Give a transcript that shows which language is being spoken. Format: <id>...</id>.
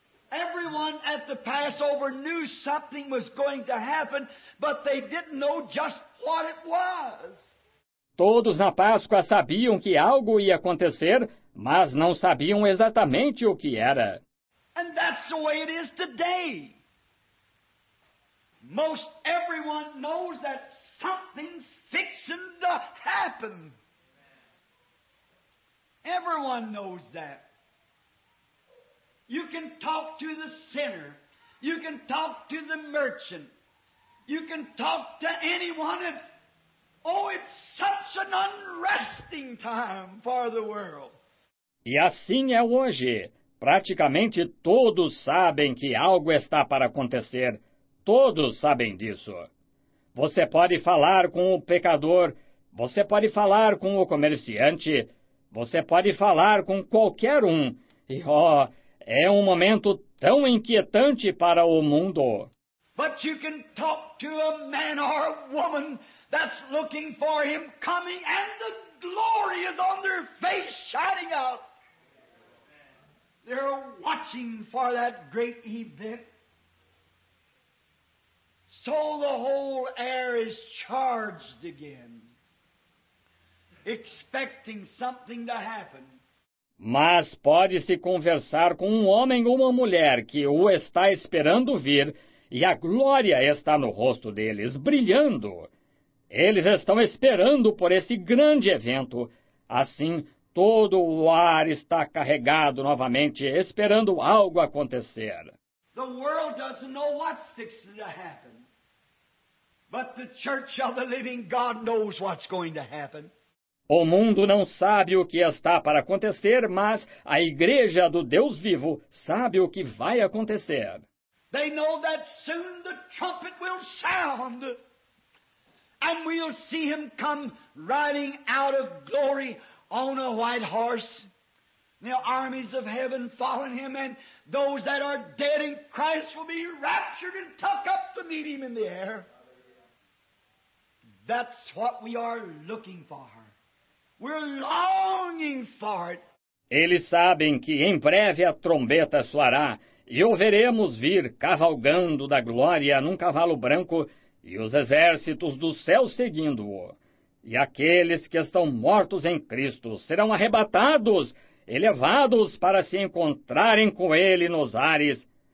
<en>Everyone at the Passover knew something was going to happen, but they didn't know just what it was.</en> <pt>Todos na Páscoa sabiam que algo ia acontecer, mas não sabiam exatamente o que era.</pt> <en>And that's the way it is today. Most everyone knows that something's fixing to happen. Everyone knows that. You can talk to the sinner. You can talk to the merchant. You can talk to anyone. And, oh, it's such an unresting time for the world.</en> <pt>E assim é hoje. Praticamente todos sabem que algo está para acontecer. Todos sabem disso. Você pode falar com o pecador. Você pode falar com o comerciante. Você pode falar com qualquer um. E, oh, é um momento tão inquietante para o mundo.</pt> <en>But you can talk to a man or a woman that's looking for him coming and the glory is on their face shining out. They're watching for that great event. So the whole air is charged again. Expecting something to happen.</en> <pt>Mas pode-se conversar com um homem ou uma mulher que o está esperando vir, e a glória está no rosto deles, brilhando. Eles estão esperando por esse grande evento. Assim, todo o ar está carregado novamente, esperando algo acontecer.</pt> <en>The world doesn't know what's fixing to happen. But the church of the living God knows what's going to happen.</en> <pt>O mundo não sabe o que está para acontecer, mas a igreja do Deus vivo sabe o que vai acontecer.</pt> <en>They know that soon the trumpet will sound. And we'll see him come riding out of glory on a white horse. The armies of heaven following him, and those that are dead in Christ will be raptured and tucked up to meet him in the air. That's what we are looking for. We're longing for it.</en> <pt>Eles sabem que em breve a trombeta soará, e o veremos vir cavalgando da glória num cavalo branco, e os exércitos do céu seguindo-o. E aqueles que estão mortos em Cristo serão arrebatados, elevados para se encontrarem com Ele nos ares.</pt>